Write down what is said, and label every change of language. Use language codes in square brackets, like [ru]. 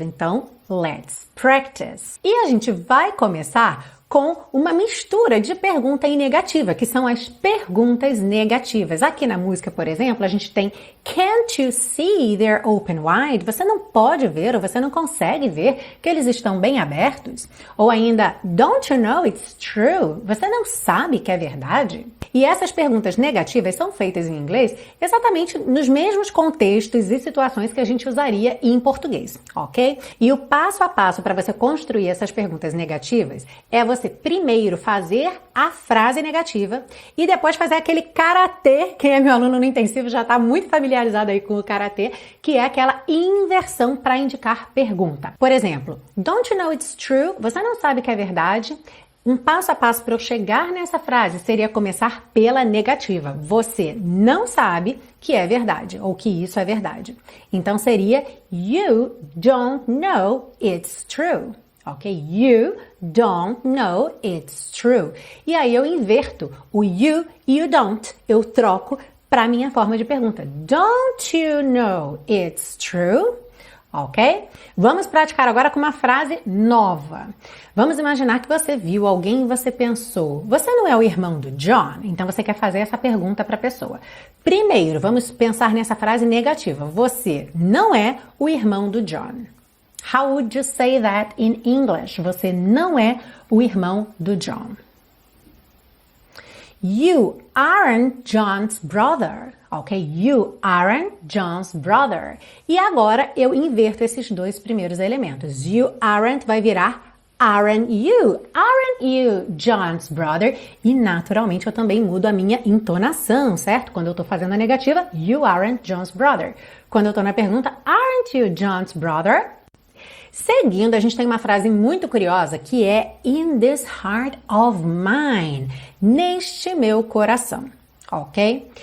[pt] Então, let's practice. E a gente vai começar com uma mistura de pergunta e negativa, que são as perguntas negativas. Aqui na música, por exemplo, a gente tem Can't you see they're open wide? Você não pode ver ou você não consegue ver que eles estão bem abertos? [en] Ou ainda Don't you know it's true? [pt] Você não sabe que é verdade? E essas perguntas negativas são feitas em inglês exatamente nos mesmos contextos e situações que a gente usaria em português, ok? E o passo a passo para você construir essas perguntas negativas é você primeiro fazer a frase negativa e depois fazer aquele karatê. Quem é meu aluno no intensivo já está muito familiarizado aí com o karatê, que é aquela inversão para indicar pergunta. [en] Por exemplo, Don't you know it's true? [pt] Você não sabe que é verdade? Um passo a passo para eu chegar nessa frase seria começar pela negativa. Você não sabe que é verdade ou que isso é verdade. [en] Então seria You don't know it's true. Ok? You don't know it's true. [pt] E aí eu inverto o you e o don't. Eu troco para a minha forma de pergunta. [en] Don't you know it's true? Ok? [pt] Vamos praticar agora com uma frase nova. Vamos imaginar que você viu alguém e você pensou, você não é o irmão do John? Então você quer fazer essa pergunta para a pessoa. Primeiro, vamos pensar nessa frase negativa. Você não é o irmão do John. [en] How would you say that in English? [pt] Você não é o irmão do John. [en] You aren't John's brother. Ok? You aren't John's brother. [pt] E agora eu inverto esses dois primeiros elementos. [en] You aren't vai virar aren't you. Aren't you John's brother? [pt] E naturalmente eu também mudo a minha entonação, certo? Quando eu tô fazendo a negativa, you aren't John's brother. Quando eu tô na pergunta, aren't you John's brother? Seguindo, a gente tem uma frase muito curiosa que é in this heart of mine, neste meu coração, ok?